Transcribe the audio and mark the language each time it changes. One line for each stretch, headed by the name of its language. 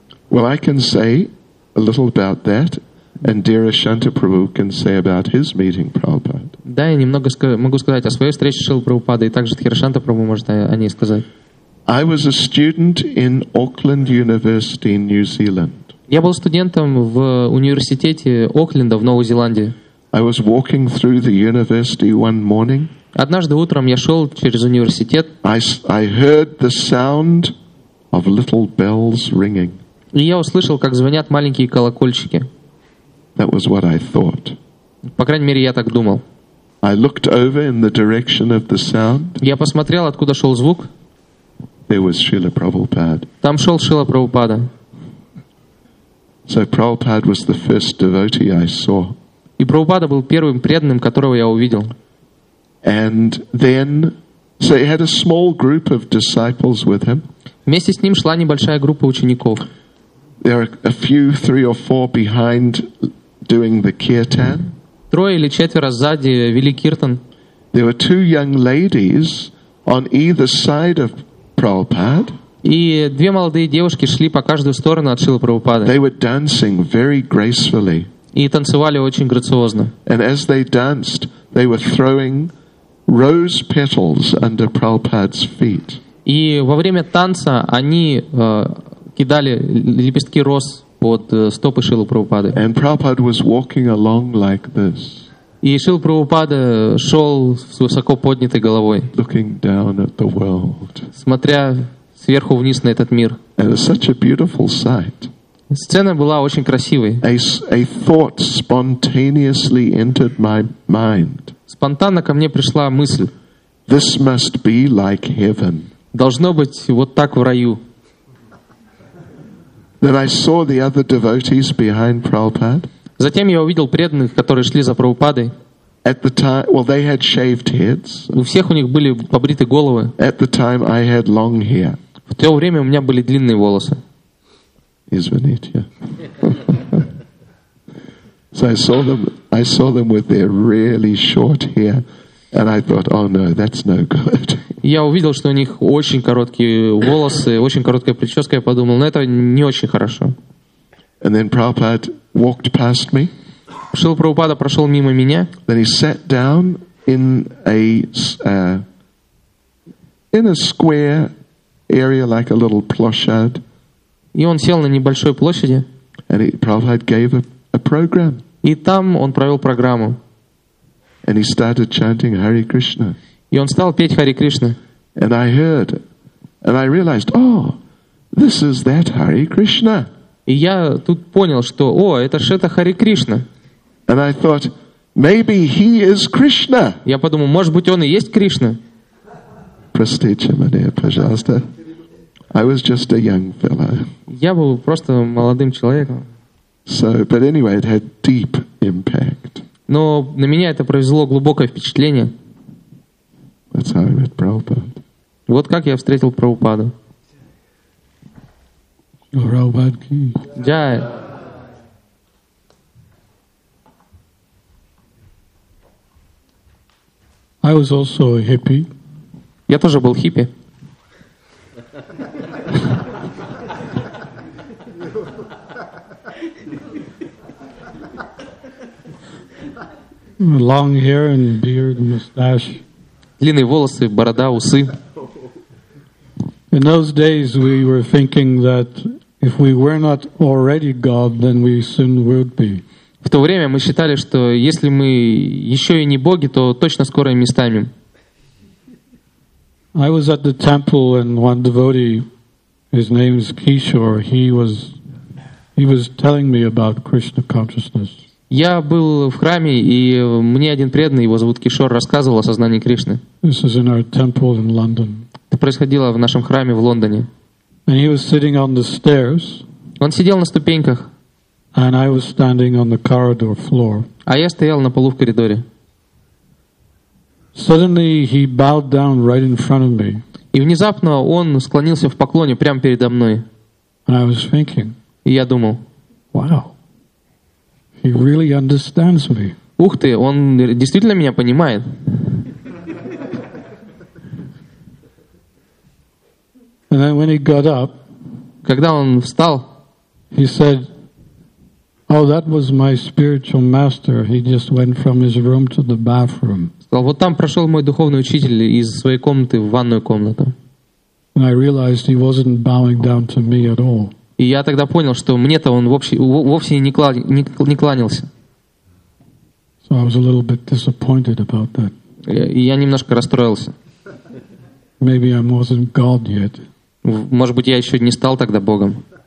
English: Well, I can say a little about that, and Dira Shanta Prabhu can say about his meeting Prabhupada.
Russian: Да, я немного могу сказать о своей встрече с Шрилой Прабхупадой, и также Дхира Шанта Прабху может о ней сказать.
English: I was a student in Auckland University in New Zealand.
Russian: Я был студентом в университете Окленда в Новой Зеландии.
English: I was walking through the university one morning.
Russian: Однажды утром я шел через университет.
English: I heard the sound of little bells ringing.
Russian: И я услышал, как звонят маленькие колокольчики.
English: That was what I thought.
Russian: По крайней мере, я так думал.
English: I looked over in the direction of the sound.
Russian: Я посмотрел, откуда шел звук.
English: There was Srila Prabhupada.
Russian: Там шел Шрила Прабхупада.
English: So Prabhupada was the first devotee I saw.
Russian: И Прабхупада был первым преданным, которого я увидел.
English: And then, so he had a small group of disciples with him.
Russian: Вместе с ним шла небольшая группа учеников.
English: There are a few, three or four behind doing the kirtan.
Russian: Трое или четверо сзади вели киртан.
English: There were two young ladies on either side of Prabhupada.
Russian: И две молодые девушки шли по каждую сторону от Шрилы Прабхупады.
English: They were dancing very gracefully.
Russian: И танцевали очень грациозно.
English: And as they danced, they were throwing rose petals under Prabhupada's feet.
Russian: И во время танца они кидали лепестки роз под стопы Шрилы Прабхупады.
English: And Prabhupada was walking along like this.
Russian: И Шрила Прабхупада шел с высоко поднятой головой.
English: Looking down at the world.
Russian: Смотря сверху вниз на этот мир.
English: And it was such a beautiful sight.
Russian: Сцена была очень красивой.
English: A thought spontaneously entered my mind.
Russian: Спонтанно ко мне пришла мысль.
English: This must be like heaven.
Russian: Должно быть вот так в раю.
English: Then I saw the other devotees behind Prabhupada.
Russian: Затем я увидел преданных, которые шли за Прабхупадой.
English: At the time, well, they had shaved heads.
Russian: У всех у них были побриты головы.
English: At the time, I had long hair.
Russian: В то время у меня были длинные волосы. Извините. Yeah.
English: So I saw them with their really short hair, and I thought, oh no, that's no good.
Russian: Я увидел, что у них очень короткие волосы, очень короткая прическа, я подумал, но это не очень хорошо.
English: And then Prabhupada walked past me.
Russian: Шрила Прабхупада прошел мимо меня.
English: Then he sat down in a square area, like a little plushad.
Russian: И он сел на небольшой площади.
English: And Prabhupada gave a program.
Russian: И там он провел программу.
English: And he started chanting Hare Krishna.
Russian: И он стал петь Харе Кришна.
English: And I heard, and I realized, oh, this is that Hare Krishna.
Russian: И я тут понял, что, о, это же это Харе Кришна.
English: And I thought, maybe he is Krishna.
Russian: Я подумал, может быть, он и есть Кришна. Простите меня, пожалуйста.
English: I was just a young fellow.
Russian: Я был просто молодым человеком.
English: So, but anyway, it had deep impact.
Russian: Но на меня это произвело глубокое впечатление.
English: That's how I met Prabhupada.
Russian: Вот как я встретил Прабхупаду.
Hindi: Prabhupada ki. Jai.
English: I was also a hippie.
Russian: Я тоже был хиппи.
English: Long hair and beard and mustache.
Russian: Длинные волосы, борода, усы.
English: In those days we were thinking that if we were not already God, then we soon would be.
Russian: В то время мы считали, что если мы еще и не боги, то точно скоро ими станем.
English: I was at the temple and one devotee, his name is Kishore, he was telling me about Krishna consciousness.
Russian: Я был в храме, и мне один преданный, его зовут Кишор, рассказывал о сознании Кришны.
English: This is in our temple in London.
Russian: Это происходило в нашем храме в Лондоне.
English: And he was sitting on the stairs.
Russian: Он сидел на ступеньках.
English: And I was standing on the corridor floor.
Russian: А я стоял на полу в коридоре.
English: Suddenly he bowed down right in front of me.
Russian: И внезапно он склонился в поклоне прямо передо мной.
English: And I was thinking.
Russian: И я думал.
English: Wow. He really understands me.
Russian: Ух ты, он действительно меня понимает.
English: And then when he got up,
Russian: когда он встал,
English: he said, "Oh, that was my spiritual master. He just went from his room to the bathroom."
Russian: Сказал, вот там прошел мой духовный учитель из своей комнаты в ванную комнату.
English: And I realized he wasn't bowing down to me at all.
Russian: И я тогда понял, что мне-то он вовсе не кланялся.
English: So I was a little bit disappointed about that.
Russian: Я немножко расстроился.
English: Maybe I wasn't God yet.
Russian: Может быть, я еще не стал тогда Богом.